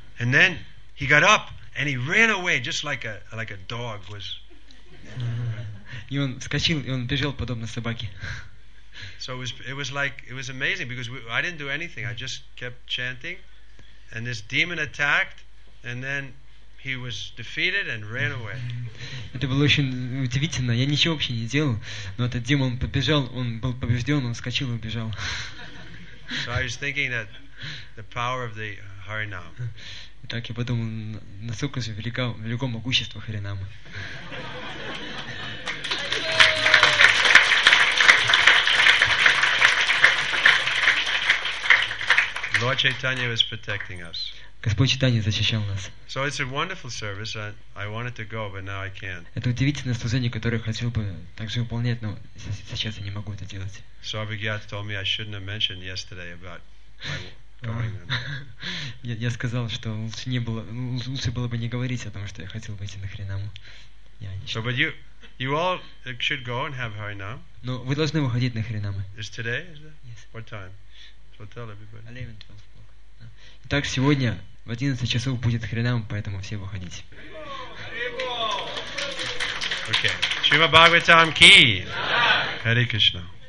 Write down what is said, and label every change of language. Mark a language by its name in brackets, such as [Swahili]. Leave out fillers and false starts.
[English] And then he got up and he ran away just like a dog was. [Russian] И он вскочил и он бежал подобно собаке. [English] So it was amazing because I didn't do anything. I just kept chanting, and this demon attacked, and then he was defeated and ran away. [Russian] Это было очень удивительно. Я ничего вообще не делал, но этот демон побежал. Он был побежден. Он вскочил и убежал. [English] So I was thinking that the power of the Harinam. [Russian] Так я подумал, насколько же велико могущество Харинама. [English] Lord Chaitanya was protecting us. [Russian] Господь Чайтанья защищал нас. [English] So it's a wonderful service. I wanted to go, but now I can't. [Russian] Это удивительное служение, которое я хотел бы также выполнять, но сейчас я не могу это делать. [English] Swabhigyat told me I shouldn't have mentioned yesterday about going. [Russian] Я сказал, что лучше было бы не говорить о том, что я хотел бы идти на Харинаму. [English] So, but you all should go and have Харинам. [Russian] Но вы должны выходить на Харинамы. [English] Is today? Yes. What time? We'll tell everybody. 11:12. [Russian] Итак, сегодня в 11 часов будет Харинам, поэтому все выходите. [English] Okay. Shrima Bhagavatam ki. Hare Krishna.